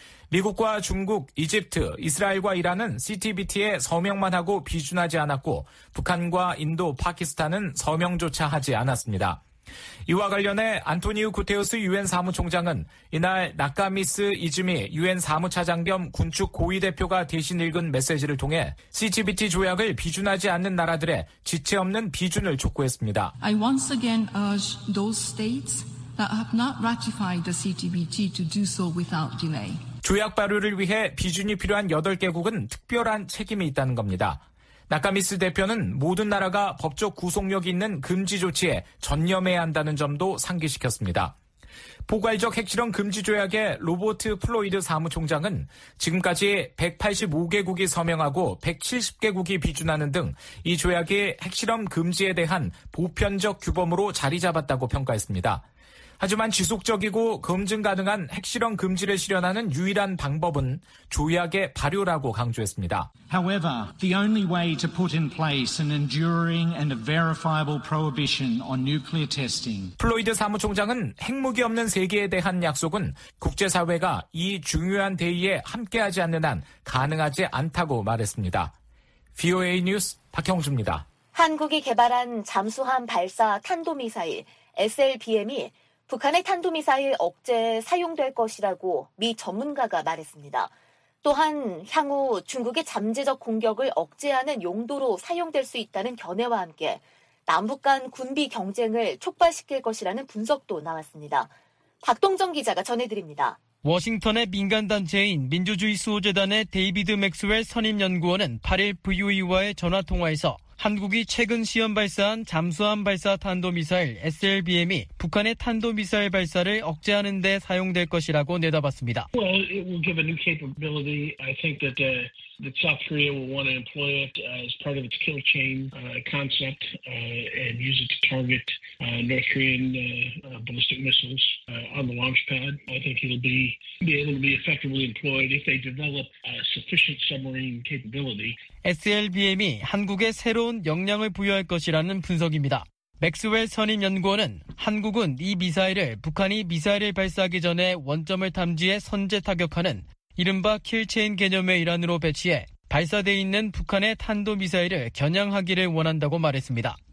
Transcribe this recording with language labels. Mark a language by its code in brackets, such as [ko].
[ko] 미국과 중국, 이집트, 이스라엘과 이란은 CTBT에 서명만 하고 비준하지 않았고 북한과 인도, 파키스탄은 서명조차 하지 않았습니다. 이와 관련해 안토니우 구테우스 유엔 사무총장은 이날 나카미스 이즈미 유엔 사무차장 겸 군축 고위 대표가 대신 읽은 메시지를 통해 CTBT 조약을 비준하지 않는 나라들의 지체 없는 비준을 촉구했습니다. [en] I once again urge those states that have not ratified the CTBT to do so without delay. [ko] 조약 발효를 위해 비준이 필요한 8개국은 특별한 책임이 있다는 겁니다. 나카미스 대표는 모든 나라가 법적 구속력이 있는 금지 조치에 전념해야 한다는 점도 상기시켰습니다. 포괄적 핵실험 금지 조약의 로버트 플로이드 사무총장은 지금까지 185개국이 서명하고 170개국이 비준하는 등 이 조약이 핵실험 금지에 대한 보편적 규범으로 자리 잡았다고 평가했습니다. 하지만 지속적이고 검증 가능한 핵실험 금지를 실현하는 유일한 방법은 조약의 발효라고 강조했습니다. [en] However, the only way to put in place an enduring and a verifiable prohibition on nuclear testing. [ko] 플로이드 사무총장은 핵무기 없는 세계에 대한 약속은 국제사회가 이 중요한 대의에 함께하지 않는 한 가능하지 않다고 말했습니다. VOA 뉴스 박형주입니다. 한국이 개발한 잠수함 발사 탄도미사일 SLBM이 북한의 탄도미사일 억제에 사용될 것이라고 미 전문가가 말했습니다. 또한 향후 중국의 잠재적 공격을 억제하는 용도로 사용될 수 있다는 견해와 함께 남북 간 군비 경쟁을 촉발시킬 것이라는 분석도 나왔습니다. 박동정 기자가 전해드립니다. 워싱턴의 민간단체인 민주주의 수호재단의 데이비드 맥스웰 선임연구원은 8일 VOA와의 전화통화에서 한국이 최근 시험 발사한 잠수함 발사 탄도미사일 SLBM이 북한의 탄도미사일 발사를 억제하는 데 사용될 것이라고 내다봤습니다. [en] Well, it will give a new capability. I think that that South Korea will want to employ it as part of its kill chain concept and use it to target North Korean ballistic missiles on the launch pad. I think it'll be able to be effectively employed if they develop sufficient submarine capability. [ko] SLBM이 한국에 새로운 역량을 부여할 것이라는 분석입니다. 맥스웰 선임 연구원은 한국은 이 미사일을 북한이 미사일을 발사하기 전에 원점을 탐지해 선제 타격하는 이른바 킬체인 개념의 일환으로 배치해 발사되어 있는 북한의 탄도미사일을 겨냥하기를 원한다고 말했습니다.